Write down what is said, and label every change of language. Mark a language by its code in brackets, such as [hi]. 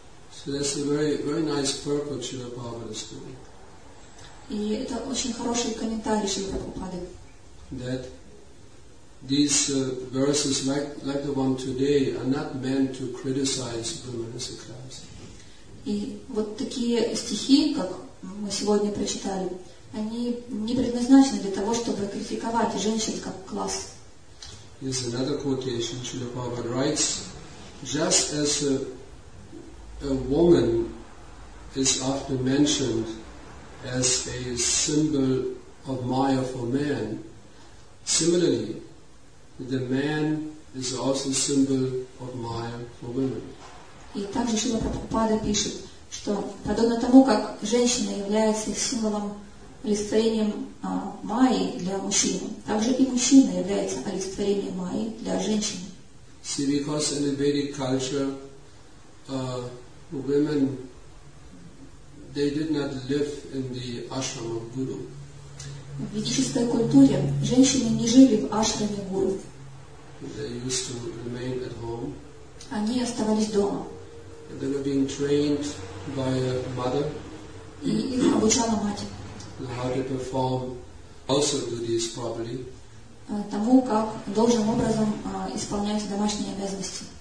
[en] So that's a very, very nice purport Srila Prabhupada is doing. [ru] И это очень хороший комментарий Шрилы Прабхупады. [en] That these verses, like the one today, are not meant to criticize women as a class. [ru] И вот такие стихи, как мы сегодня прочитали, они не предназначены для того, чтобы критиковать женщин как класс. [en] Here's another quotation Srila Prabhupada writes, just as a woman is often mentioned as a symbol of Maya for man. Similarly, the man is also a symbol of Maya for women. [ru] И также Шрила Прабхупада пишет, что подобно тому, как женщина является символом олицетворением Майи для мужчины, также и мужчина является олицетворением Майи для женщины. [en] See, because in the Vedic culture, women, they did not live in the ashram of guru. [ru] В ведической культуре женщины не жили в ашраме гуру. [en] They used to remain at home. [ru] Они оставались дома. [en] And they were being trained by a mother. [ru] И их обучала мать. [en] And how to perform household duties properly. [ru] Тому, как должным образом исполнять домашние обязанности.